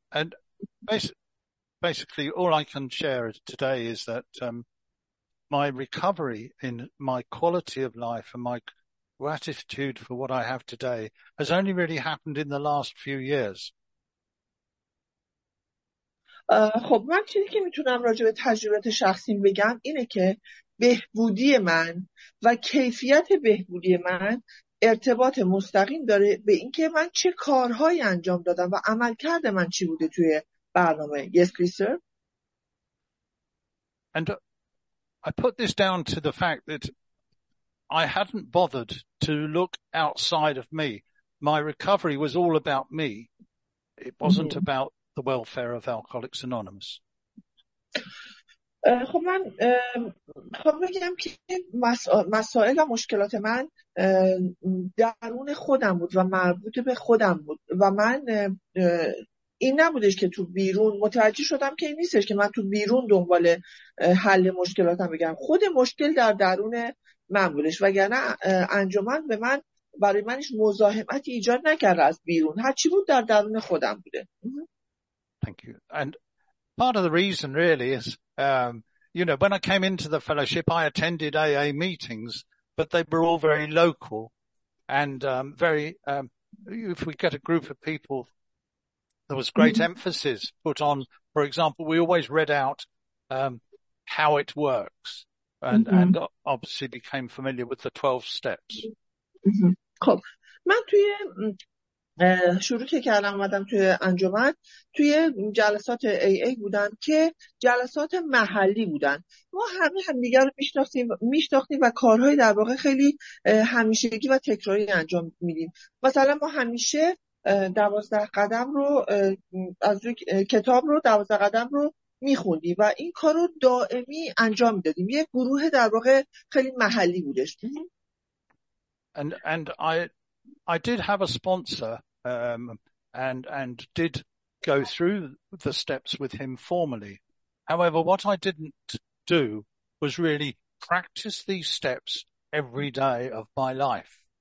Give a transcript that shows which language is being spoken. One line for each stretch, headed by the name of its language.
English: And basically, all I can share today is that my recovery in my quality of life and my gratitude for what I have today has only really happened in the last few years.
Persian: خب من چیزی که میتونم راجع به تجربیات شخصیم بگم اینه که بهبودی من و کیفیت بهبودی من ارتباط مستقیم داره به اینکه من چه کارهایی انجام دادم و عملکرد من چی بوده توی برنامه.
English: Yes, please, sir. And I put this down to the fact that I hadn't bothered to look outside of me. My recovery was all about me. It wasn't about the welfare of Alcoholics Anonymous.
Persian: خب من خب بگم که مسائل و مشکلات من درون خودم بود و مربوط به خودم بود و من این نبودش که تو بیرون متوجه شدم که این نیستش که من تو بیرون دنبال حل مشکلاتم بگم. خود مشکل در درون من بودش، وگرنه انجمن به من برای منش مزاحمتی ایجاد نکرده از بیرون. هر چی بود در درون خودم بوده.
English: Thank you. And part of the reason really is you know, when I came into the fellowship I attended AA meetings, but they were all very local and very if we get a group of people There was great emphasis put on, for example, we always read out how it works and, and obviously became familiar with the 12 steps.
Persian: خب من توی شروع که کردم اومدم توی انجمن توی جلسات AA بودم که جلسات محلی بودن. ما همه همدیگر رو میشناختیم و کارهای در واقع خیلی همیشگی و تکراری انجام میدیم. مثلا ما همیشه 12 قدم رو از روی کتاب رو 12 قدم رو میخوندیم و این کار رو دائمی انجام میدادیم. یه گروه در واقع خیلی محلی بودش.
English: And I did have a sponsor and did go through the steps with him formally. However, what I didn't do was really practice these steps every day of my life.